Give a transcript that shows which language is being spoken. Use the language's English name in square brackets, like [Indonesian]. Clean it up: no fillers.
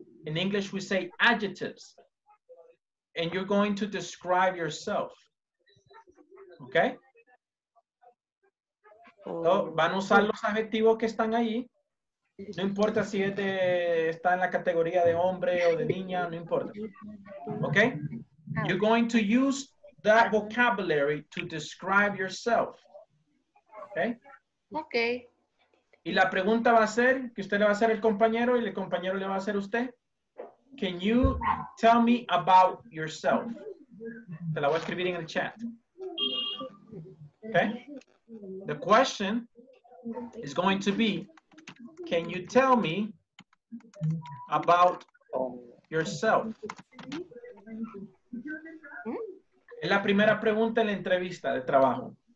[English] In English, we say adjectives. And you're going to describe yourself. Okay? [Spanish] So, van a usar los adjetivos que están ahí. No importa si es de, está en la categoría de hombre o de niña, no importa. [English] Okay? You're going to use that vocabulary to describe yourself. Okay? Okay. [Spanish] Y la pregunta va a ser, que usted le va a hacer al compañero y el compañero le va a hacer a usted. [English] Can you tell me about yourself? [Spanish] Te la voy a escribir en el chat. [English] Okay? The question is going to be, can you tell me about yourself? [Spanish] Es la primera pregunta en la entrevista de trabajo.